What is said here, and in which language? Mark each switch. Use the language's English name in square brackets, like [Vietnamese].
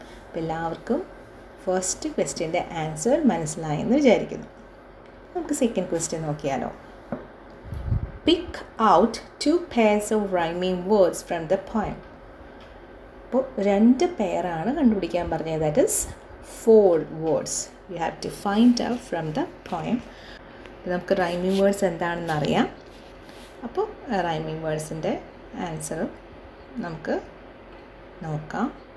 [Malayalam] അപ്പോൾ എല്ലാവർക്കും first ക്വസ്റ്റ്യൻ്റെ answer മനസ്സിലായെന്ന് വിചാരിക്കുന്നു. നമുക്ക് സെക്കൻഡ് ക്വസ്റ്റ്യൻ നോക്കിയാലോ. [English] Pick out 2 pairs of rhyming words from the poem. [Malayalam] അപ്പോൾ 2 പേരാണ് കണ്ടുപിടിക്കാൻ പറഞ്ഞത്. [English] That is 4 words you have to find out from the poem. [Malayalam] നമുക്ക് റൈമിംഗ് വേർഡ്സ് എന്താണെന്ന് അറിയാം. അപ്പോൾ റൈമിംഗ് വേർഡ്സിൻ്റെ ആൻസർ നമുക്ക് നോക്കാം.